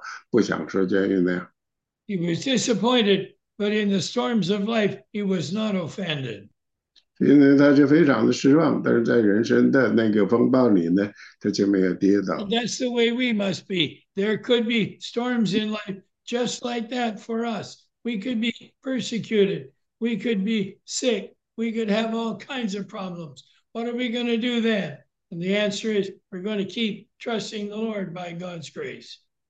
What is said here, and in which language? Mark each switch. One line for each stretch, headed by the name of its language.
Chinese: 我不认为他会就说是去享受监狱，就像你我不享受监狱那样。
English: He was disappointed, but in the storms of life, he was not offended.
Chinese: 所以呢，他就非常的失望，但是在人生的那个风暴里呢，他就没有跌倒。
English: And that's the way we must be. There could be storms in life just like that for us. We could be persecuted. We could be sick. We could have all kinds of problems. What are we going to do then? And the answer is, we're going to keep trusting the Lord by God's grace.